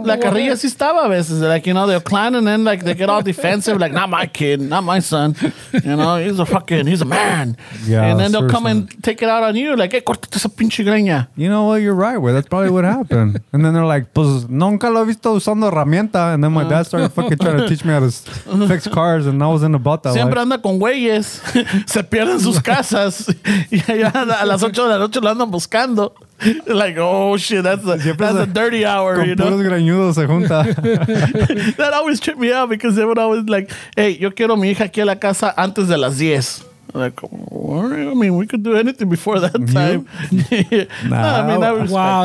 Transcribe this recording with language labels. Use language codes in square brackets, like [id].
[es] La carrilla estaba a veces, [en] like, you know, they're clan, and then like they get all defensive, like, not my kid, not my son, you know, he's a man. Yeah, and then they'll come and take it out on you, like, hey, [es] corta esa pinche greña. [en] You know what, well, you're right, where that's probably what happened. And then they're like, [es] pues nunca lo he visto usando herramienta. [en] And then my dad started fucking trying to teach me how to fix cars, and I was in about that. [es] Siempre anda con güeyes, se pierden sus casas, y allá a las 8 de la noche lo andan buscando. [en] Like, oh shit, that's a dirty hour, you know. [es] Puros greñudos se junta. [en] That always tripped me out, because they would always like, hey, [es] yo quiero mi hija aquí a la casa antes de las 10. [en] Like, all right, I mean, we could do anything before that time. Nah, no, I mean, I respect wow,